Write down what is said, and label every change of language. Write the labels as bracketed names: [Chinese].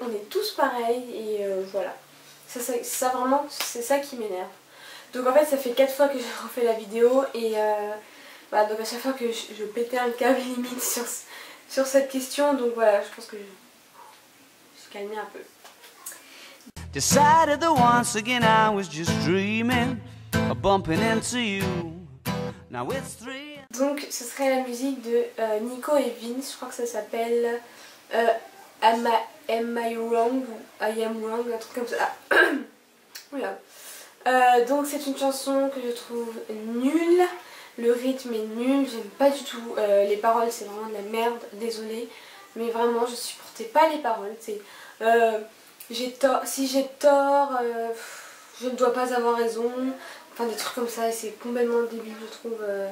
[French] On est tous pareils, et voilà. Ça vraiment, c'est ça qui m'énerve. Donc en fait, ça fait 4 fois que je refais la vidéo, et bah, donc à chaque fois que je pétais un câble limite sur cette question, donc voilà, je pense que je suis calmée un peu. [English] Decided that once again I was just dreaming of bumping into you. Now it's three. [French] Donc ce serait la musique de Nico et Vince, je crois que ça s'appelle Am I Wrong, un truc comme ça. Oula. Donc c'est une chanson que je trouve nulle, le rythme est nul, j'aime pas du tout, les paroles c'est vraiment de la merde, désolée, mais vraiment je supportais pas les paroles, c'est j'ai tort, si j'ai tort, je ne dois pas avoir raison, enfin des trucs comme ça, et c'est complètement débile je trouve.